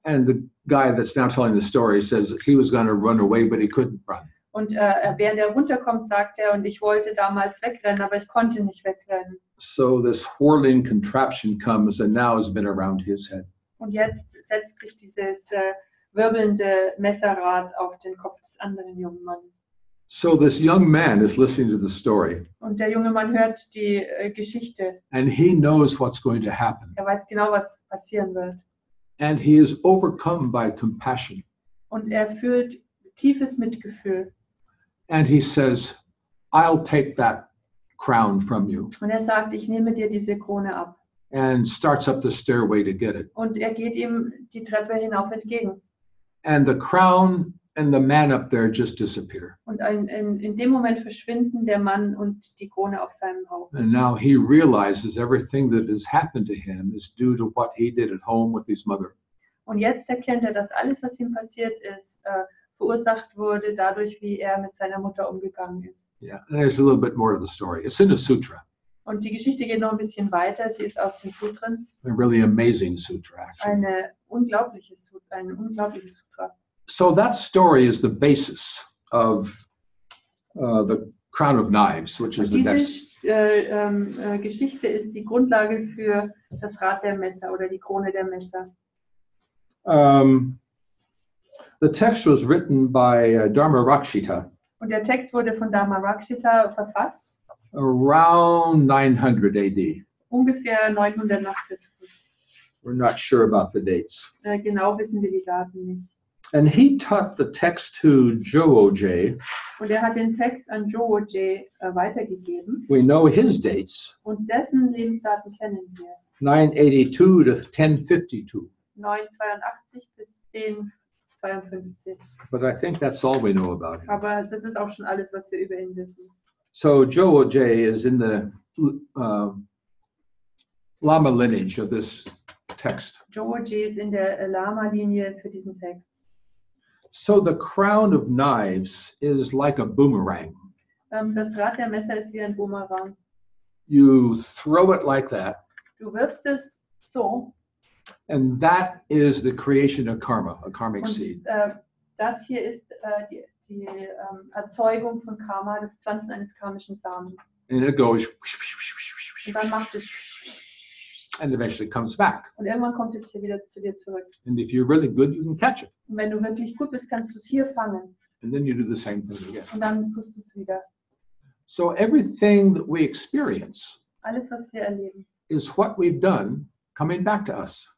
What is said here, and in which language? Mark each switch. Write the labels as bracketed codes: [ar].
[en] And the guy that's now telling the story says he was going to run away, but he couldn't run. [de] Und während runterkommt, sagt und ich wollte damals wegrennen, aber ich konnte nicht wegrennen. [en] So this whirling contraption comes and now has been around his head. [de] Und jetzt setzt sich dieses wirbelnde Messerrad auf den Kopf des anderen jungen Mannes. [en] So this young man is listening to the story. [de] Und junge Mann hört die Geschichte. [en] And he knows what's going to happen. [de] Weiß genau, was passieren wird. [en] And he is overcome by compassion. [de] Und fühlt tiefes Mitgefühl. [en] And he says, "I'll take that crown from you." [de] Und sagt, ich nehme dir diese Krone ab. [en] And starts up the stairway to get it. [de] Und geht ihm die Treppe hinauf entgegen. [en] And the crown and the man up there just disappear. [de] Und in dem Moment verschwinden der Mann und die Krone auf seinem Haupt. [en] And now he realizes everything that has happened to him is due to what he did at home with his mother. [de] Und jetzt erkennt er, dass alles, was ihm passiert ist, verursacht wurde dadurch, wie er mit seiner Mutter umgegangen ist. [en] Yeah, and there's a little bit more to the story. It's in a sutra. [de] Und die Geschichte geht noch ein bisschen weiter. Sie ist aus den Sutren. [en] A really amazing sutra, actually. [de] Ein unglaubliches Sutra. [en] So that story is the basis of the Crown of Knives, which is the next. [de] Geschichte ist die Grundlage für das Rad der Messer oder die Krone der Messer. [en] The text was written by Dharmarakshita. [de] Und der Text wurde von Dharmarakshita verfasst. [en] Around 900 AD. [de] Ungefähr 900 nach Christus. [en] We're not sure about the dates. [de] Genau wissen wir die Daten nicht. [en] And he taught the text to Jowoje. [de] Und hat den Text an Jowoje weitergegeben. [en] We know his dates. [de] Und dessen Lebensdaten kennen wir. [en] 982 to 1052. [de] 982 bis 1052. [en] But I think that's all we know about him. [de] Aber das ist auch schon alles, was wir über ihn wissen. [en] So Jowoje is in the Lama lineage of this text. [de] Jowoje ist in der Lama-Linie für diesen Text. [en] So the crown of knives is like a boomerang. [de] Das Rad der Messer ist wie ein Boomerang. [en] You throw it like that. [de] Du wirfst es so. [en] And that is the creation of karma, a karmic seed. [de] Das hier ist die Erzeugung von Karma, das Pflanzen eines karmischen Samen. [en] And it goes. [de] Und dann macht es. [en] And eventually comes back. [de] Und irgendwann kommt es hier wieder zu dir zurück. [en] And if you're really good, you can catch it. [de] Und wenn du wirklich gut bist, kannst du es hier fangen. [en] And then you do the same thing again. [de] Und dann tust du es wieder. [en] So everything that we experience, [de] alles was wir erleben, [en] is what we've done coming back to us.